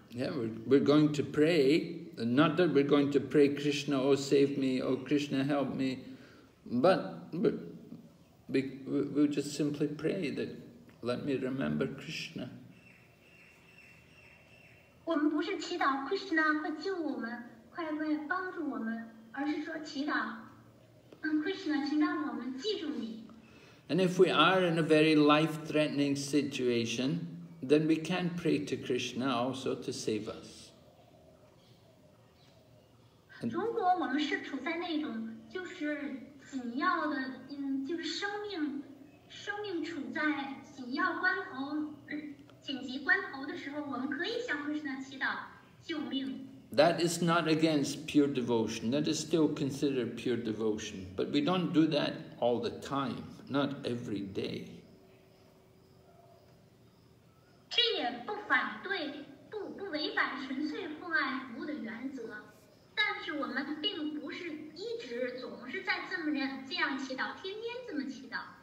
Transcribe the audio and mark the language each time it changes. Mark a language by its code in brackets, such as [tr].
[en] Yeah, we're going to pray, not that we're going to pray Krishna, oh save me, oh Krishna help me, but we'll just simply pray that let me remember Krishna. We're not [zh] 祈祷 Krishna 会救我们，快乐帮助我们，而是说祈祷。 Krishna, 请让我们记住你。 [en] And if we are in a very life-threatening situation, then we can pray to Krishna also to save us. [zh] 如果我们是处在那种就是紧要的，就是生命处在紧要关头，紧急关头的时候，我们可以向 Krishna 祈祷救命。 [en] That is not against pure devotion. That is still considered pure devotion. But we don't do that all the time, not every day. [zh] 这也不反对，不违反纯粹父爱服务的原则。但是我们并不是一直总是在这样祈祷，天天这么祈祷。